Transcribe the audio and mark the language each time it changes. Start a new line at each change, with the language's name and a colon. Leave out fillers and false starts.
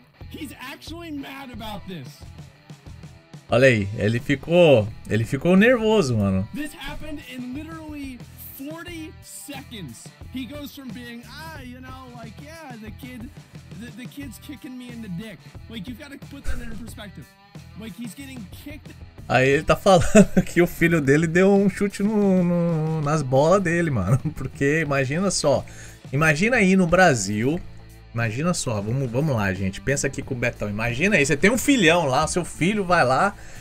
English: He's actually mad about this.
Portuguese: Olha aí, ele ficou nervoso, mano.
English: This happened in literally 40 seconds. He goes from being, you know, like, yeah, the kid's kicking me in the dick. Like, you've got to put that in perspective. Like, he's getting kicked.
Portuguese: Aí ele tá falando que o filho dele deu um chute nas bolas dele, mano. Porque imagina só. Imagina aí no Brasil. Imagina só. Vamos lá, gente. Pensa aqui com o Betão. Imagina aí. Você tem um filhão lá. Seu filho vai lá.